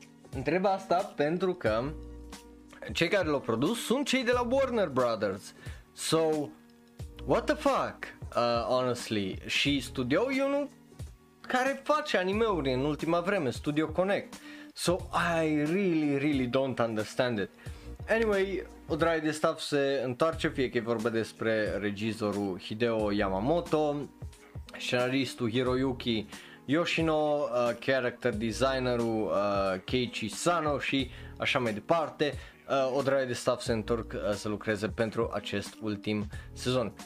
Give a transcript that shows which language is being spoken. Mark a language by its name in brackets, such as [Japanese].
[Romanian] Întreb asta pentru că cei care l-au produs sunt cei de la Warner Brothers. [English] So, what the fuck, honestly, [Romanian] și studio eu nu... care face anime-uri în ultima vreme, Studio Connect. [English] So, I really, really don't understand it. [Romanian] Anyway, o draie de staff se întoarce, fie că e vorba despre regizorul Hideo Yamamoto, scenaristul Hiroyuki Yoshino, character designerul Keiichi Sano și așa mai departe. O draie de staff se întorc să lucreze pentru acest ultim sezon.